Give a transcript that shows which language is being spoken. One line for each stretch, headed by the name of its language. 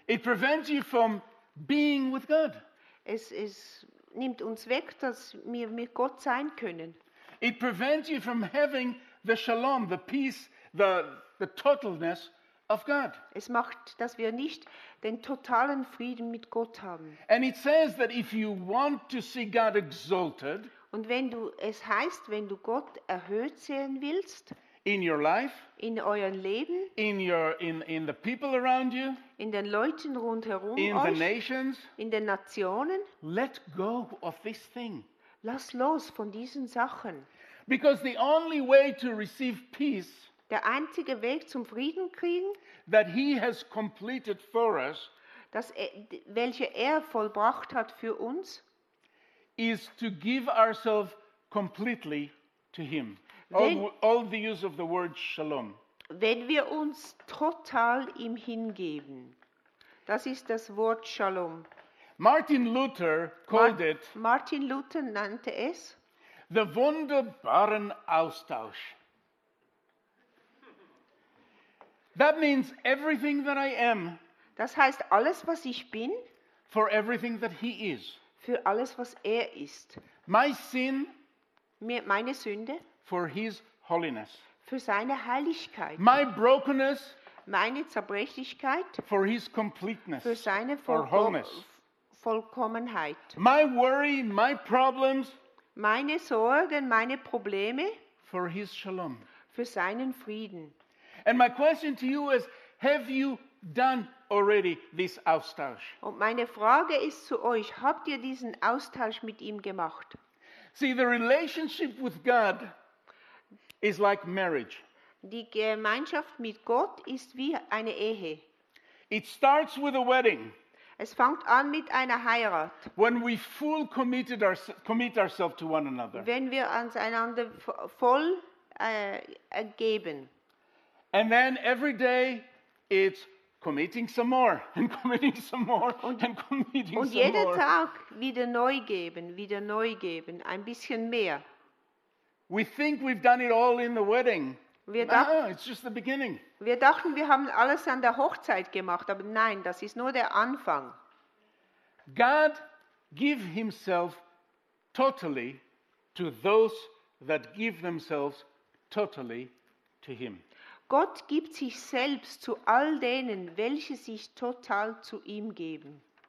English: It prevents you from being with God.
German: Es nimmt uns weg, dass wir mit Gott sein können.
English: It prevents you from having the shalom, the peace, the totalness of God.
German: Es macht, dass wir nicht den totalen Frieden mit Gott haben.
English: And it says that if you want to see God exalted,
German: und wenn du, es heißt, wenn du Gott erhöht sehen willst,
English: in your life,
German: in euren Leben,
English: in the people around you,
German: in den Leuten rundherum,
English: in
German: euch,
English: the nations,
German: in den Nationen,
English: let go of this thing.
German: Lass los von diesen Sachen.
English: Because the only way to receive peace,
German: der einzige Weg zum Frieden kriegen,
English: that he has completed for us,
German: das welche er vollbracht hat für uns,
English: is to give ourselves completely to him. All the use of the word shalom.
German: Wenn wir uns total ihm hingeben, das ist das Wort Shalom.
English: Martin Luther called it.
German: Martin Luther nannte es
English: the
German: wunderbaren Austausch.
English: That means everything that I am.
German: Das heißt alles, was ich bin.
English: For everything that he is.
German: Für alles, was er ist.
English: My sin.
German: Meine Sünde.
English: For his holiness.
German: Für seine Heiligkeit.
English: My brokenness.
German: Meine Zerbrechlichkeit.
English: For his completeness.
German: Für seine Vollkommenheit. Vollkommenheit.
English: My worry, my problems.
German: Meine Sorgen, meine Probleme.
English: For his shalom.
German: Für seinen Frieden.
English: And my question to you is, have you done already this Austausch?
German: Und meine Frage ist zu euch, habt ihr diesen Austausch mit ihm gemacht?
English: See, the relationship with God is like marriage.
German: Die Gemeinschaft mit Gott ist wie eine Ehe.
English: It starts with a wedding.
German: Es fängt an mit einer Heirat.
English: When we fully committed commit ourselves to one another.
German: Wenn wir uns einander voll ergeben.
English: And then every day it's committing some more and committing some more and committing some more.
German: Und jeden Tag wieder neu geben, ein bisschen mehr.
English: We think we've done it all in the wedding. It's just the beginning.
German: Wir dachten, wir haben alles an der Hochzeit gemacht, aber nein, das ist nur der Anfang.
English: God give himself totally to those that give themselves totally to him.
German: Gott gibt sich selbst zu all denen, welche sich total zu ihm geben.